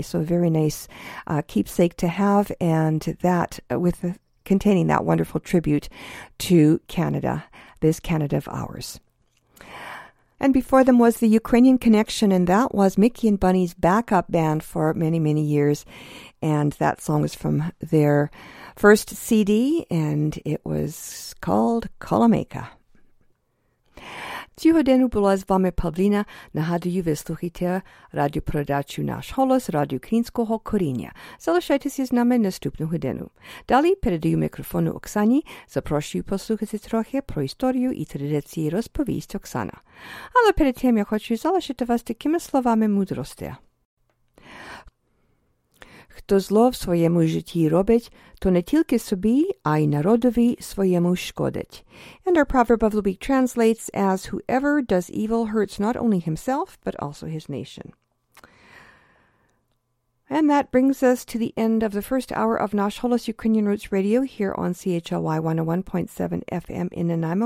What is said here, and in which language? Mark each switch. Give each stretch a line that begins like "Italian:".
English: So a very nice keepsake to have, and that with containing that wonderful tribute to Canada, this Canada of ours. And before them was the Ukrainian Connection, and that was Mickey and Bunny's backup band for many, many years. And that song is from their first CD, and it was called Kolomejka.
Ukrainian: Цього дня була з вами Павлина. Нагадую, ви слухаєте радіопередачу «Наш голос» радіо Українського коріння. Залишайтеся з нами наступну годину. Далі передаю мікрофон Оксані. Запрошую послухати трохи про історію і традиції, розповість Оксана. Але перед тим я хочу залишити вас такими словами мудрості. Хто зло в своєму житті робить, то не тільки собі, а й народові своєму шкодить.
English: And our proverb of the week translates as, whoever does evil hurts not only himself, but also his nation. And that brings us to the end of the first hour of Nash Holos Ukrainian Roots Radio here on CHLY 101.7 FM in Nanaimo.